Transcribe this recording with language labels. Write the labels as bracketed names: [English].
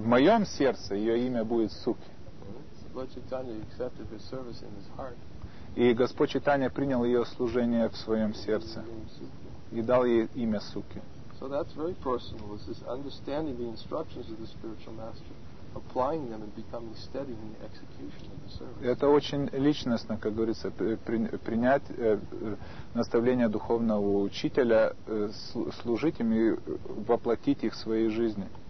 [Russian] В моем сердце ее имя будет Суки. [English] Lord Chaitanya accepted her service in his heart. [Russian] И Господь Чайтанья принял ее служение в своем сердце и дал ей имя Суки. [English] So that's very personal, is this understanding the instructions of the spiritual master, applying them and becoming steady in the execution of the service. [Russian] Это очень личностно, как говорится, принять наставления духовного учителя, служить им и воплотить их в своей жизни.